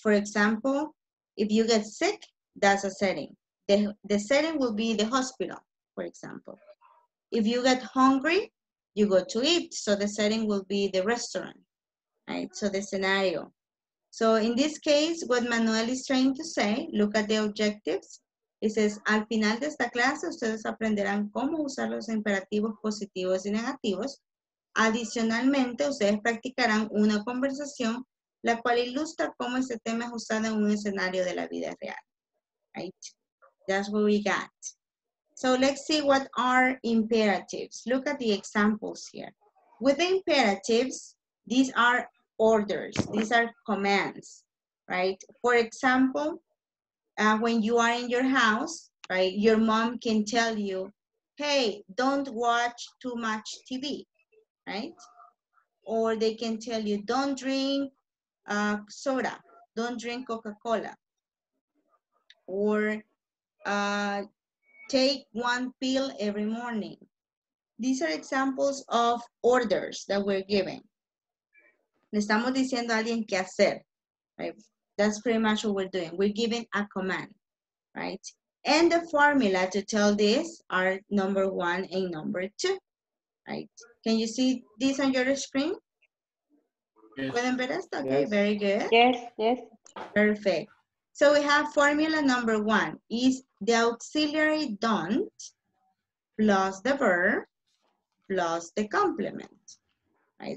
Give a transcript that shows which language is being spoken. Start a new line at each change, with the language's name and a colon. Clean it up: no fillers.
English: For example, if you get sick, that's a setting. The setting will be the hospital, for example. If you get hungry, you go to eat. So the setting will be the restaurant. Right, so the scenario. So in this case, what Manuel is trying to say, look at the objectives.
Spanish: It says, al final de esta clase, ustedes aprenderán cómo usar los imperativos positivos y negativos. Adicionalmente, ustedes practicarán una conversación, la cual ilustra cómo este tema es usado en un escenario de la vida real.
English: Right, that's what we got. So let's see what are imperatives. Look at the examples here. With the imperatives, these are orders, these are commands, right? For example, when you are in your house, right, your mom can tell you, hey, don't watch too much TV, right? Or they can tell you, don't drink soda, don't drink Coca-Cola, or take one pill every morning. These are examples of orders that we're giving.
Spanish: Le estamos diciendo a alguien qué hacer, right?
English: That's pretty much what we're doing. We're giving a command, right? And the formula to tell this are number one and number two, right? Can you see this on your screen? Yes. ¿Pueden ver esto? Okay, yes. Very good. Yes, yes. Perfect. So we have formula number one is the auxiliary don't plus the verb plus the complement, right?